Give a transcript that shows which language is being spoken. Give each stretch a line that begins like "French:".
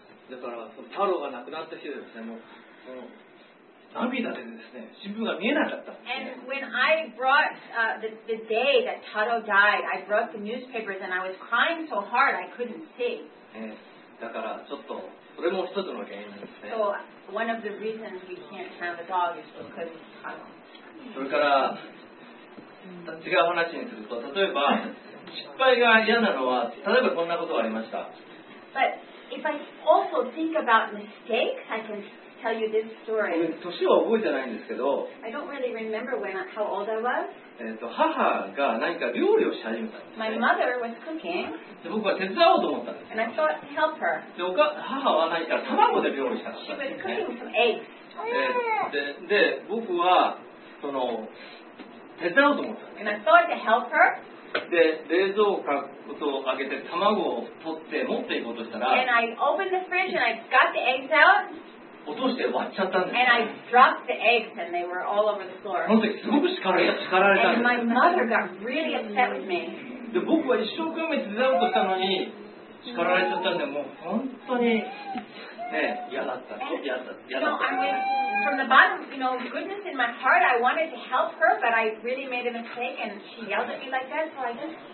Japanese: だからその太郎が亡くなった日でですね、もう涙でですね、新聞が見えなかった。
English: And when I brought the day that Taro died, I brought the newspapers and I was crying so hard I couldn't see.
Japanese: だからちょっとそれも一つの原因ですね。
English: So one of the reasons we can't have a dog is because of Taro.
Japanese: それから違う話にすると、例えば失敗が嫌なのは、例えばこんなことがありました。
English: But if I also think about mistakes, I can tell you this story.
Japanese: 年は覚えてないんですけど、
English: I don't really remember how old I was.
Japanese: 母が何か料理をし始めたんです、ね。
English: My mother was cooking.
Japanese: で僕は手伝おうと思ったんです。
English: And I thought to help her.
Japanese: で母は何か卵で料理したんです、ね。
English: She was cooking some eggs.
Japanese: で僕はその手伝おうと思ったんです。
English: And I thought to help her.
Japanese: で冷蔵庫を開けて卵を取って持っていこうとしたら、
English: And I opened the fridge and I got the eggs out.
Japanese: 落として割っちゃったんです。
English: And I dropped the eggs and they were all over the floor.
Japanese: その時すごく叱られたんです。
English: And my mother got really upset with me.
Japanese: で僕は一生懸命手伝おうとしたのに叱られちゃったんで、もう本当にね、嫌だった、嫌だった、嫌だった。
English: From the bottom, you know, goodness in my heart, I wanted to help her, but I really made a mistake and she yelled at me like that, so I just